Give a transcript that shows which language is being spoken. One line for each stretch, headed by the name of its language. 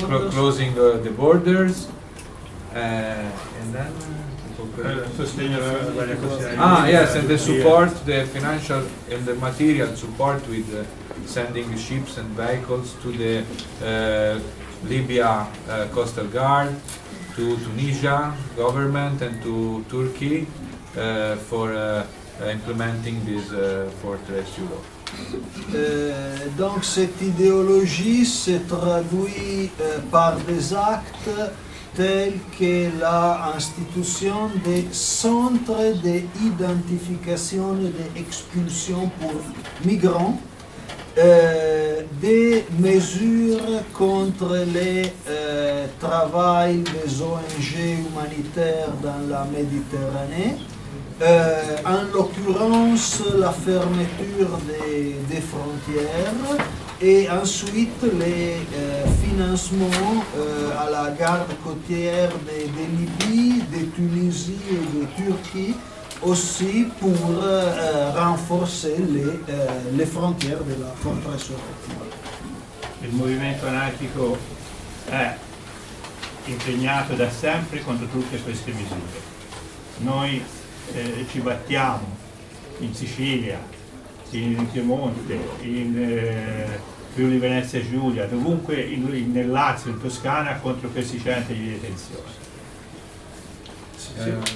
English: closing the borders, and then and the support, the financial and the material support with sending ships and vehicles to the Libya coastal guard, to Tunisia government, and to Turkey for implementing this fortress Europe.
French: Donc cette idéologie se traduit par des actes tels que la institution des centres d'identification et d'expulsion pour migrants, des mesures contre le travail des ONG humanitaires dans la Méditerranée, en l'occurrence la fermeture des frontières, et ensuite les financements à la garde côtière de Libye, de Tunisie et de Turquie, aussi pour renforcer les frontières de la forteresse européenne.
Italian: Il mouvement anarchico è impegnato da sempre contro tutte queste misure. Noi ci battiamo in Sicilia, in Piemonte, in Friuli Venezia Giulia, dovunque nel Lazio, in Toscana, contro questi centri di detenzione.